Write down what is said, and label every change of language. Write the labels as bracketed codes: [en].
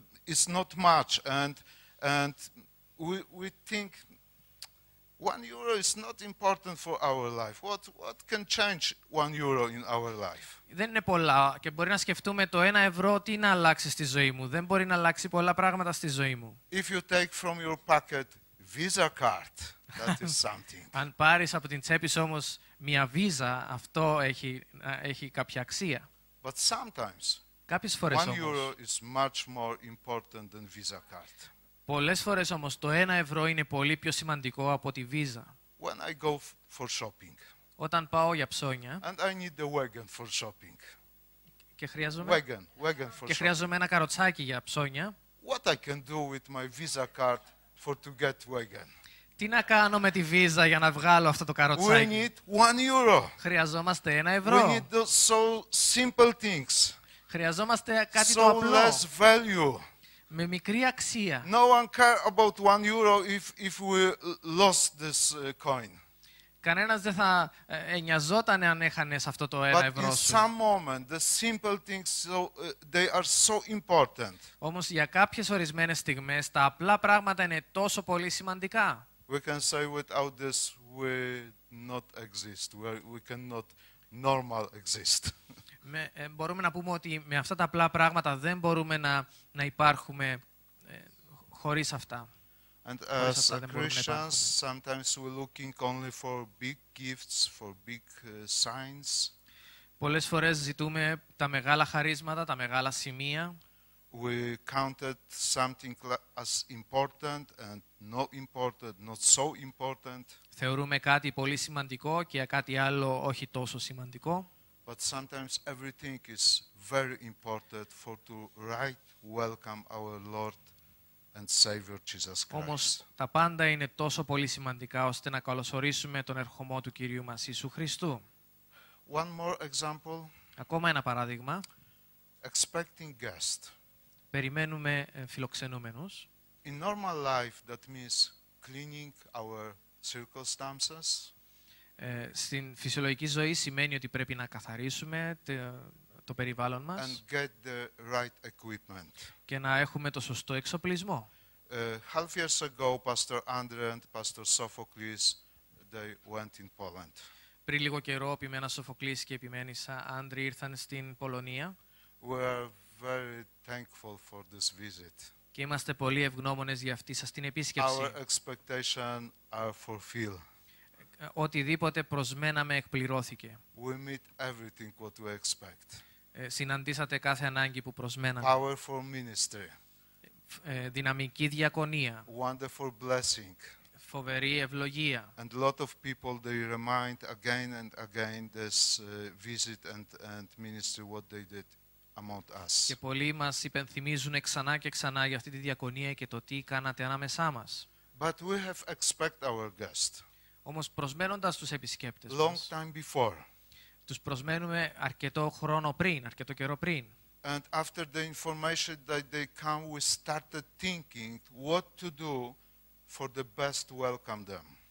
[en] It's not much and we think one euro is not important for our life. What can change one euro in our life? [el] Δεν είναι πολλά και μπορεί να σκεφτούμε το ένα ευρώ τι να αλλάξει στη ζωή μου. Δεν μπορεί να αλλάξει πολλά πράγματα στη ζωή μου. [en] If you take from your pocket Visa card, that is something. [el] Αν πάρεις από την τσέπη σου όμως μια Visa, αυτό έχει κάποια αξία. [en] But sometimes, [el] κάποιες φορές [en] one euro is much more important than Visa card. [el] Πολλές φορές όμως το ένα ευρώ είναι πολύ πιο σημαντικό από τη Visa. [en] When I go for shopping. [el] Όταν πάω για ψώνια. [en] And I need the wagon for shopping. [el] Και χρειάζομαι. [en] Wagon for [el] και χρειάζομαι [en] shopping. [el] Ένα καροτσάκι για ψώνια. [en] What I can do with my Visa card for to get wagon. [el] Τι να κάνω με τη Visa για να βγάλω αυτό το καροτσάκι. [en] We need one euro. [el] Χρειαζόμαστε ένα ευρώ. [en] We need so simple things. [el] Χρειαζόμαστε κάτι [en] so [el] το απλό. [en] Less value. [el] Με μικρή αξία. [en] No one care about one euro if we lost this coin. [el] Κανένας δεν θα νοιαζόταν αν έχανες αυτό το ένα ευρώ σου. [en] But in some moment, the simple things they are so important. [el] Όμως για κάποιες ορισμένες στιγμές τα απλά πράγματα είναι τόσο πολύ σημαντικά. [en] We can say without this we not exist. We cannot normal exist. [el] Μπορούμε να πούμε ότι με αυτά τα απλά πράγματα δεν μπορούμε να υπάρχουμε χωρίς αυτά. [en] And as Christians, sometimes we're looking only for big gifts, for big signs. [el] Πολλές φορές ζητούμε τα μεγάλα χαρίσματα, τα μεγάλα σημεία. [en] We counted something as important and not important, not so important. [el] Θεωρούμε κάτι πολύ σημαντικό και κάτι άλλο όχι τόσο σημαντικό. [en] But sometimes everything is very important for to right welcome our Lord and Savior Jesus Christ. [el] Όμως τα πάντα είναι τόσο πολύ σημαντικά ώστε να καλωσορίσουμε τον ερχομό του Κυρίου μας Ιησού Χριστού. [en] One more example. [el] Ακόμα ένα παράδειγμα. [en] Expecting guest. [el] Περιμένουμε φιλοξενούμενους. [en] In normal life that means cleaning our circumstances. [el] Στην φυσιολογική ζωή σημαίνει ότι πρέπει να καθαρίσουμε το περιβάλλον μας [en] and get the right equipment. [el] Και να έχουμε το σωστό εξοπλισμό. [en] Half years ago, Pastor Andre and Pastor Sophocles, they went in Poland. [el] Πριν λίγο καιρό, Επιμένα Σοφοκλής και Επιμένησα Άντρη ήρθαν στην Πολωνία. [en] We are very thankful for this visit. [el] Και είμαστε πολύ ευγνώμονες για αυτή σας την επίσκεψη. [en] Our expectations are fulfilled. [el] Οτιδήποτε προσμέναμε εκπληρώθηκε. [en] We meet everything what we expect. [el] Συναντήσατε κάθε ανάγκη που προσμέναμε. [en] Powerful ministry. [el] Δυναμική διακονία. [en] Wonderful blessing. [el] Φοβερή ευλογία. [en] And a lot of people they remind again and again this visit and ministry what they did among us. [el] Και πολλοί μας υπενθυμίζουν ξανά και ξανά για αυτή τη διακονία και το τι κάνατε ανάμεσά μας. [en] But we have expect our guest. [el] Όμως προσμένοντας τους επισκέπτες [en] long time before. [el] Τους προσμένουμε αρκετό χρόνο πριν, αρκετό καιρό πριν. [en] And after the information that they come, we started thinking what to do for the best welcome them.